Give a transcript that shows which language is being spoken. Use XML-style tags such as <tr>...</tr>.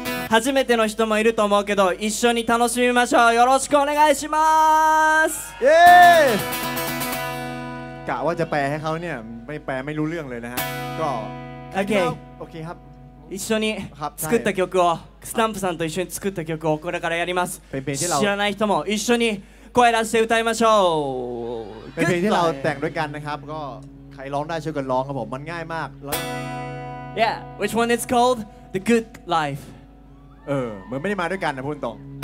<ja>初めての人もいると思うけど一緒に楽しみましょうよろしくお願いします</ja> <th>เย้กะว่าจะแปลให้เขาเนี่ยไม่แปลไม่รู้เรื่องเลยนะฮะก็ โอเค โอเคครับ</th> <ja>一緒に作った曲をスタンプさんと一緒に作った曲をこれからやります知らない人も一緒に</ja> <th>ก็ให้เราเสียงไทยมาโชว์เป็นเพลงที่เราแต่งด้วยกันนะครับก็ใครร้องได้ช่วยกันร้องครับผมมันง่ายมากแล้ว</th> <en>Yeah which one is called the good life</en> <th>เออเหมือนไม่ได้มาด้วยกันนะพูดตรง</th>